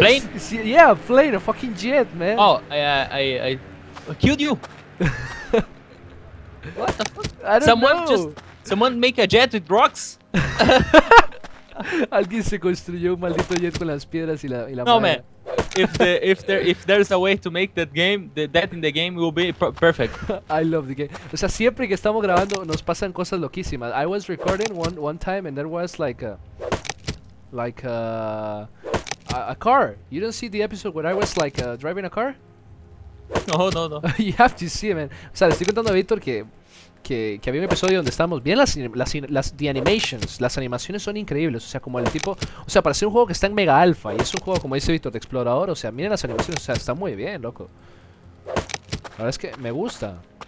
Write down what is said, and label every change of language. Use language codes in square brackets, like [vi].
[en] plane? Yeah, plane, a fucking jet, man. Oh, I killed you. What the fuck? I don't know. Someone make a jet with rocks? [es] Alguien se construyó un maldito jet con las piedras y la [en] No, man. [es] madera. [en] If there's a way to make that game, that in the game will be perfect. I love the game. [es] O sea, siempre que estamos grabando nos pasan cosas loquísimas. [en] I was recording one time and there was like a car. You don't see the episode where I was driving a car? No. You have to see it, man. [es] O sea, le estoy contando a Víctor que había un episodio donde estábamos bien las [en] the animations, [es] las animaciones son increíbles. O sea, como el tipo, o sea, para ser un juego que está en mega alfa y es un juego, como dice Víctor, de explorador. O sea, miren las animaciones, o sea, está muy bien, loco. La verdad es que me gusta